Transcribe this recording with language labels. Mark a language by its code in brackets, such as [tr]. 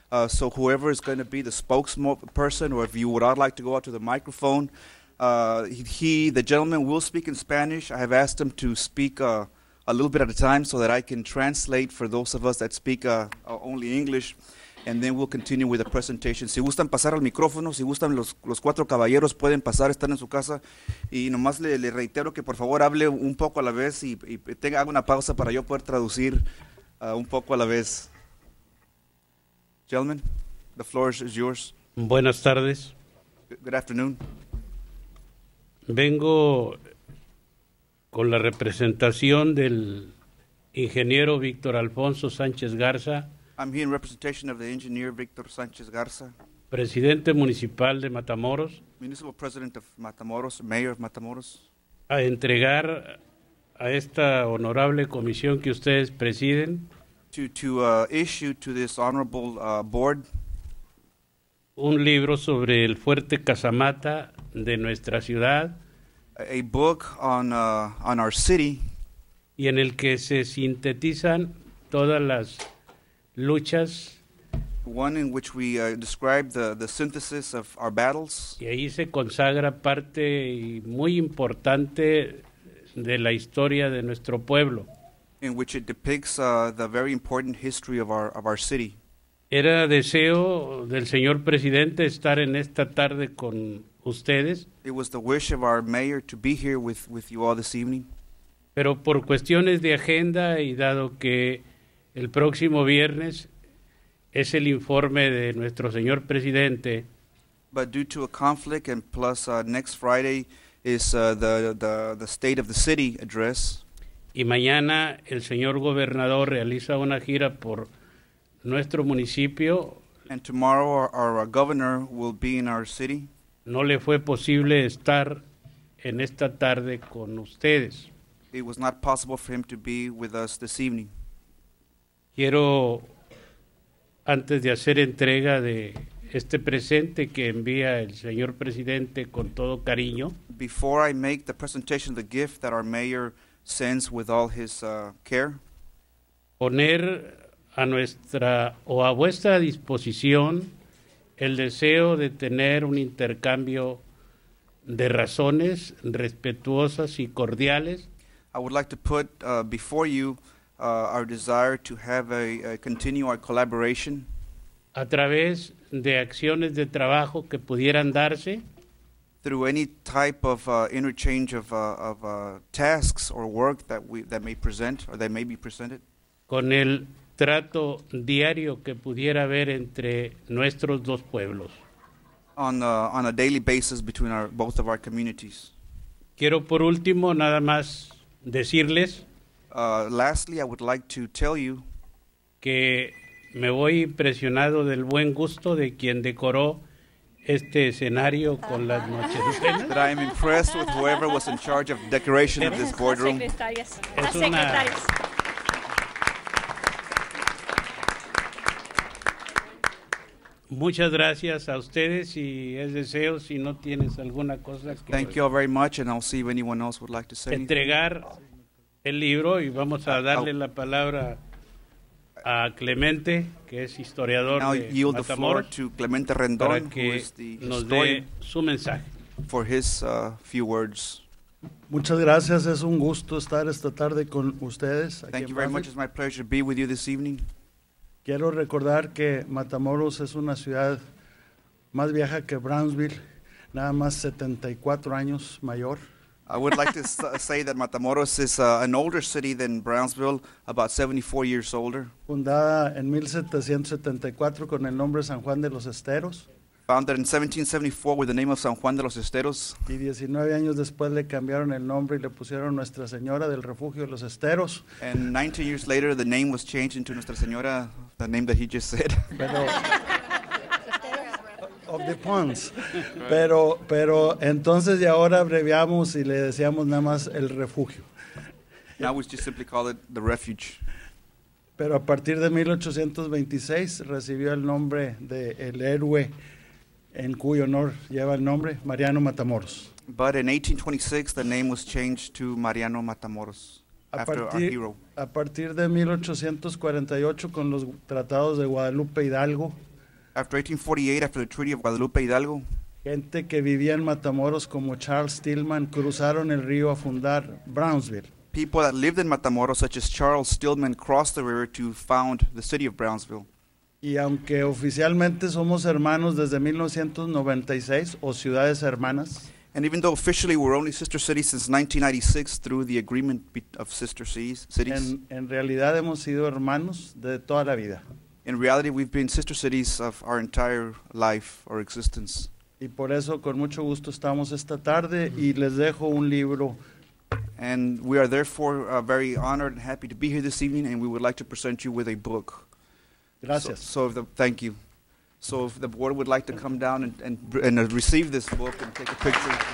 [en] So whoever is going to be the spokesperson, or if you would all like to go out to the microphone, the gentleman will speak in Spanish. I have asked him to speak a little bit at a time so that I can translate for those of us that speak only English, and then we'll continue with the presentation. [es] Si gustan pasar al micrófono, si gustan los cuatro caballeros pueden pasar, están en su casa, y nomás le reitero que por favor hable un poco a la vez y tenga una pausa para yo poder traducir un poco a la vez. [en] Gentlemen, the floor is yours. [es] Buenas tardes. [en] Good afternoon. [es] Vengo con la representación del ingeniero Víctor Alfonso Sánchez Garza. [en] I'm here in representation of the engineer Víctor Sánchez Garza. [es] Presidente municipal de Matamoros. [en] Municipal president of Matamoros, mayor of Matamoros. [es] A entregar a esta honorable comisión que ustedes presiden. [en] To issue to this honorable board. [es] Un libro sobre el fuerte Casamata de nuestra ciudad. [en] A book on our city. [es] Y en el que se sintetizan todas las luchas. [en] One in which we describe the synthesis of our battles. [es] Y ahí se consagra parte muy importante de la historia de nuestro pueblo. [en] In which it depicts the very important history of our city. [es] Era deseo del señor presidente estar en esta tarde con ustedes. [en] It was the wish of our mayor to be here with you all this evening. [es] Pero por cuestiones de agenda y dado que el próximo viernes es el informe de nuestro señor presidente. [en] But due to a conflict and plus next Friday is the state of the city address. [es] Y mañana el señor gobernador realiza una gira por nuestro municipio. [en] And tomorrow our governor will be in our city. [es] No le fue posible estar en esta tarde con ustedes. [en] It was not possible for him to be with us this evening. [es] Quiero, antes de hacer entrega de este presente que envía el señor presidente con todo cariño. [en] Before I make the presentation of the gift that our mayor sends with all his care. [es] Poner a nuestra o a vuestra disposición el deseo de tener un intercambio de razones respetuosas y cordiales. [en] I would like to put before you our desire to have a continue our collaboration. [es] A través de acciones de trabajo que pudieran darse. [en] Through any type of interchange of tasks or work that may present or that may be presented. [es] Con el trato diario que pudiera haber entre nuestros dos pueblos. [en] On a daily basis between both of our communities. [es] Quiero por último nada más decirles. [en] Lastly, I would like to tell you. [es] Que me voy impresionado del buen gusto de quien decoró este escenario con las nochebuenas. [en] That I am impressed with whoever was in charge of decoration of this boardroom. [es] Las secretarias. Muchas gracias a ustedes y es deseo si no tienes alguna cosa que. [en] Thank you all very much, and I'll see if anyone else would like to say. [es] Entregar el libro y vamos a darle la palabra a Clemente, que es historiador [en] now [es] de [en] yield Matamoros, the floor to Clemente Rendon, [es] para que [en] who is the [es] nos [en] historian, [es] dé su mensaje. [en] For his few words. [es] Muchas gracias, es un gusto estar esta tarde con ustedes. [en] Thank [es] aquí [en] you very much, it's my pleasure to be with you this evening. [es] Quiero recordar que Matamoros es una ciudad más vieja que Brownsville, nada más 74 años mayor. [en] I would like to say that Matamoros is an older city than Brownsville, about 74 years older. [es] Fundada en 1774 con el nombre San Juan de los Esteros. [en] Founded in 1774 with the name of San Juan de los Esteros. [es] Y 19 años después le cambiaron el nombre y le pusieron Nuestra Señora del Refugio de los Esteros. [en] And 19 years later, the name was changed into Nuestra Señora, the name that he just said. [es] Pero, [en] of the ponds. [es] Pero entonces y ahora abreviamos y le decíamos nada más el refugio. [en] Now we just simply call it the refuge. [es] Pero a partir de 1826 recibió el nombre de el héroe en cuyo honor lleva el nombre, Mariano Matamoros. [en] But in 1826, the name was changed to Mariano Matamoros, after our hero. [es] A partir de 1848, con los tratados de Guadalupe Hidalgo. [en] After 1848, after the Treaty of Guadalupe Hidalgo. [es] Gente que vivía en Matamoros como Charles Stillman cruzaron el río a fundar Brownsville. [en] People that lived in Matamoros, such as Charles Stillman, crossed the river to found the city of Brownsville. [es] Y aunque oficialmente somos hermanos desde 1996 o ciudades hermanas. [en] And even though officially we're only sister cities since 1996 through the agreement of sister cities. [es] En realidad hemos sido hermanos de toda la vida. [en] In reality we've been sister cities of our entire life or existence. [es] Y por eso con mucho gusto estamos esta tarde y les dejo un libro. [en] And we are therefore very honored and happy to be here this evening, and we would like to present you with a book. [es] Gracias. [en] Thank you. So if the board would like to come down and receive this book and take a picture.